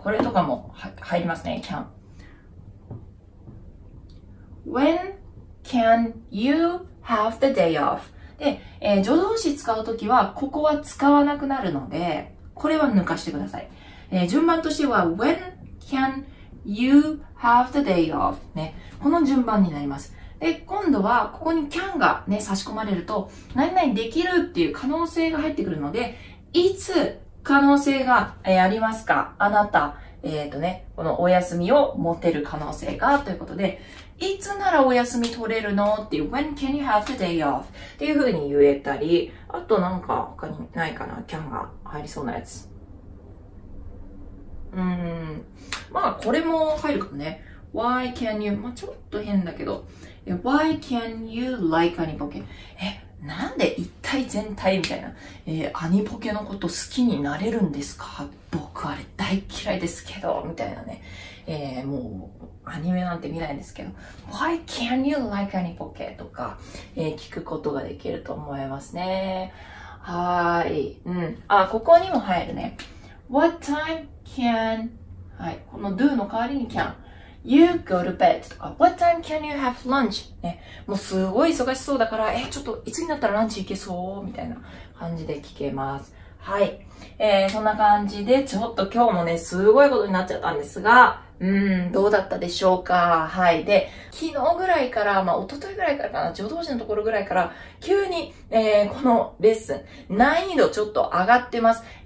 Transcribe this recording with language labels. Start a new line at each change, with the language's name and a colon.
Japanese: これとかも入りますね、can。
English: when?can you have the day off?
Japanese: で、助動詞使うときはここは使わなくなるのでこれは抜かしてください。順番としては
English: When can you have the day off?
Japanese: ね、この順番になります。で、今度はここに can がね差し込まれると何々できるっていう可能性が入ってくるので、いつ可能性がありますか、あなた、ね、このお休みを持てる可能性がということで、いつならお休み取れるのっていう
English: When can you have the day off?
Japanese: っていう風に言えたり、あとなんか他にないかな、 can が入りそうなやつ、まあこれも入るかもね。
English: Why can you、
Japanese: まあちょっと変だけど、
English: Why can you like any poke?
Japanese: なんで一体全体みたいな、アニポケのこと好きになれるんですか、僕あれ大嫌いですけどみたいなね、もうアニメなんて見ないんですけど、
English: Why can you like
Japanese: アニポケとか、聞くことができると思いますね。はい、うん、あ、ここにも入るね。
English: What time can、
Japanese: はい、この do の代わりに
English: canYou go to bed とか What time can you have lunch?
Japanese: ね、もうすごい忙しそうだから、ちょっといつになったらランチ行けそうみたいな感じで聞けます。はい、そんな感じでちょっと今日もねすごいことになっちゃったんですが、どうだったでしょうか。はい、で昨日ぐらいから、まあ一昨日ぐらいからかな、助動詞のところぐらいから急に、このレッスン難易度ちょっと上がってます。